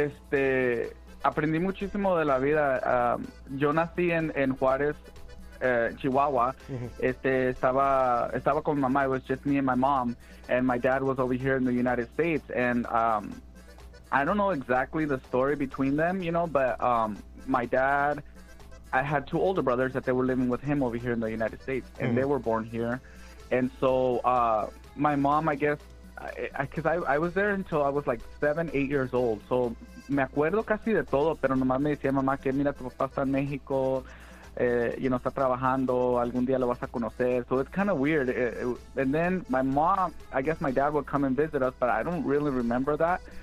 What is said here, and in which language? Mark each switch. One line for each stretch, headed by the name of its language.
Spanish: Aprendí muchísimo de la vida. Yo nací en Juarez, Chihuahua. Estaba con mamá.
English: It was just me and my mom, and my dad was over here in the United States. And I don't know exactly the story between them, you know, but my dad, I had two older brothers that they were living with him over here in the United States, and they were born here. And so my mom, I guess, because I was there until I was like 7-8 years old.
Spanish: So me acuerdo casi de todo, pero nomás me decía mamá que mira, tu papá está en México, you know, está trabajando, algún día lo vas a conocer.
English: So it's kind of weird. And then my mom, I guess my dad would come and visit us, but I don't really remember that.